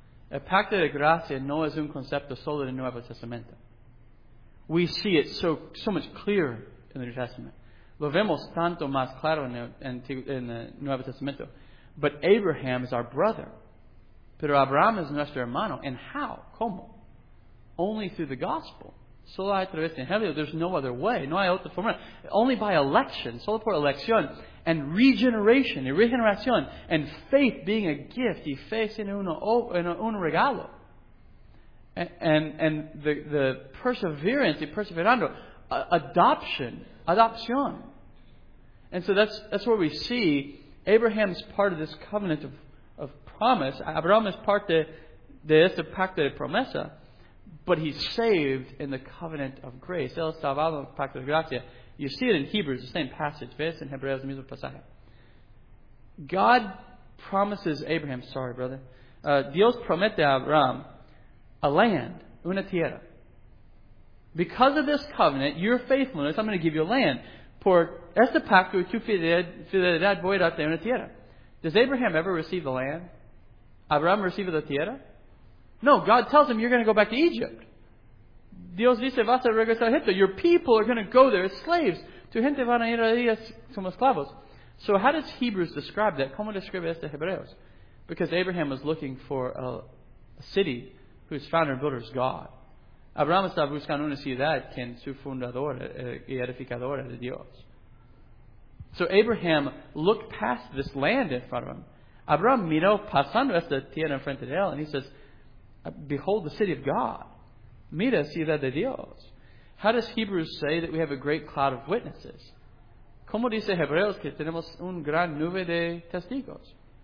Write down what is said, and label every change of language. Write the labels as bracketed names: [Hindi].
[Spanish] El pacto de gracia no es un concepto solo del Nuevo Testamento. [English] We see it so much clearer in the New Testament. [Spanish] Lo vemos tanto más claro en el Nuevo Testamento. [English] But Abraham is our brother. [Spanish] Pero Abraham es nuestro hermano. [English] And how? [Spanish] ¿Cómo? [English] Only through the gospel. [Spanish] Solo a través de Evangelio. [English] There's no other way. [Spanish] No hay otra forma. [English] Only by election. [Spanish] Solo por elección. [English] And regeneration. [Spanish] Y regeneración. [English] And faith being a gift. [Spanish] Y fe siendo un regalo. [English] And the perseverance. [Spanish] Y perseverando. [English] Adoption. [Spanish] Adopción. [English] And so that's where we see Abraham's part of this covenant of promise. [Spanish] Abraham [English] is part [Spanish] de este pacto de promesa. [English] But he's saved in the covenant of grace. [Spanish] El salvado en el pacto de gracia. [English] You see it in Hebrews, the same passage. [Spanish] Ves en Hebreos, el mismo pasaje. [English] God promises Abraham, sorry brother, [Spanish] Dios promete a Abraham [English] a land, [Spanish] una tierra. [English] Because of this covenant, your faithfulness, I'm going to give you a land. [Spanish] Por este pacto y tu fidelidad, voy a darte una tierra. [English] Does Abraham ever receive the land? Abraham receive the tierra? No, God tells him, you're going to go back to Egypt. [Spanish] Dios dice, vas a regresar a Egipto. [English] Your people are going to go there as slaves. [Spanish] Tu gente van a ir ahí como esclavos. [English] So how does Hebrews describe that? [Spanish] ¿Cómo describe este Hebreos? [English] Because Abraham was looking for a city whose founder and builder is God. [Spanish] Abraham está buscando una ciudad que es su fundadora y edificadora de Dios. [English] So Abraham looked past this land in front of him. [Spanish] Abraham miró pasando esta tierra en frente de él, [English] and he says, "Behold the city of God. [Spanish] Mira ciudad de Dios." [English] How does Hebrews say that we have a great cloud of witnesses? [Spanish] ¿Cómo dice Hebreos que tenemos un gran nube de testigos?